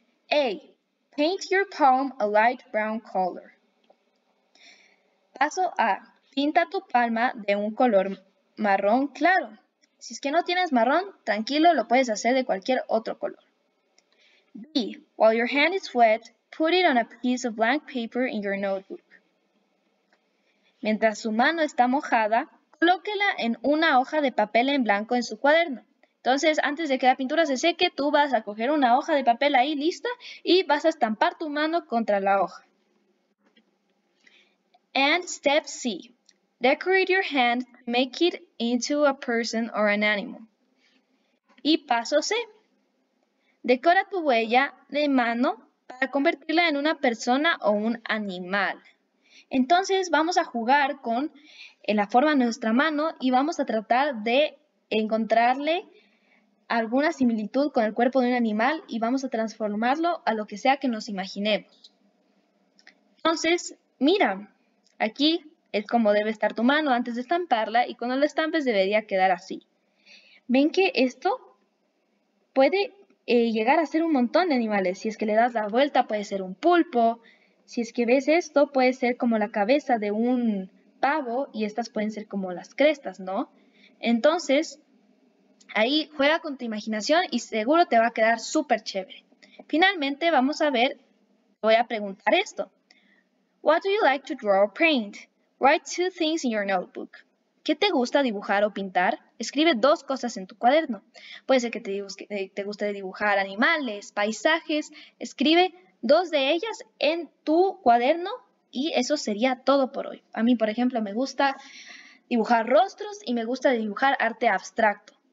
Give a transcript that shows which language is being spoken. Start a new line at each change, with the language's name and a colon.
English: A. Paint your palm a light brown color.
Spanish: Paso A. Pinta tu palma de un color marrón claro. Si es que no tienes marrón, tranquilo, lo puedes hacer de cualquier otro color.
English: B. While your hand is wet, put it on a piece of blank paper in your notebook.
Spanish: Mientras su mano está mojada, colóquela en una hoja de papel en blanco en su cuaderno. Entonces, antes de que la pintura se seque, tú vas a coger una hoja de papel ahí lista y vas a estampar tu mano contra la hoja.
English: And step C. Decorate your hand to make it into a person or an animal.
Spanish: Y paso C. Decora tu huella de mano para convertirla en una persona o un animal. Entonces vamos a jugar con la forma de nuestra mano y vamos a tratar de encontrarle alguna similitud con el cuerpo de un animal y vamos a transformarlo a lo que sea que nos imaginemos. Entonces, mira, aquí es como debe estar tu mano antes de estamparla y cuando la estampes debería quedar así. ¿Ven que esto puede llegar a ser un montón de animales? Si es que le das la vuelta, puede ser un pulpo. Si es que ves esto, puede ser como la cabeza de un pavo y estas pueden ser como las crestas, ¿no? Entonces, ahí juega con tu imaginación y seguro te va a quedar súper chévere. Finalmente, vamos a ver, voy a preguntar esto.
English: What do you like to draw or paint? Write two things in your notebook.
Spanish: ¿Qué te gusta dibujar o pintar? Escribe dos cosas en tu cuaderno. Puede ser que te guste dibujar animales, paisajes. Escribe dos de ellas en tu cuaderno y eso sería todo por hoy. A mí, por ejemplo, me gusta dibujar rostros y me gusta dibujar arte abstracto.